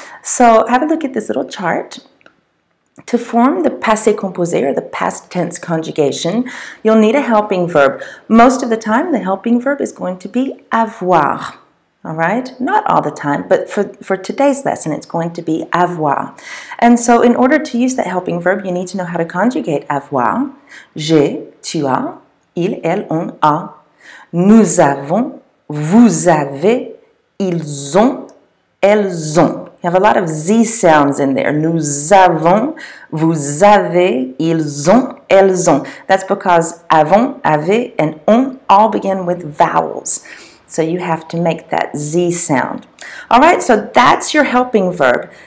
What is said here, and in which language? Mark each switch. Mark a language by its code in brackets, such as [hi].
[en] So have a look at this little chart. To form the passé composé, or the past tense conjugation, you'll need a helping verb. Most of the time, the helping verb is going to be avoir, all right? Not all the time, but for today's lesson, it's going to be avoir. And so in order to use that helping verb, you need to know how to conjugate avoir. [fr] J'ai, tu as, il, elle, on a. Nous avons, vous avez, ils ont, elles ont. [en] You have a lot of Z sounds in there. [fr] Nous avons, vous avez, ils ont, elles ont. [en] That's because avons, avez, and ont all begin with vowels. So you have to make that Z sound. All right, so that's your helping verb.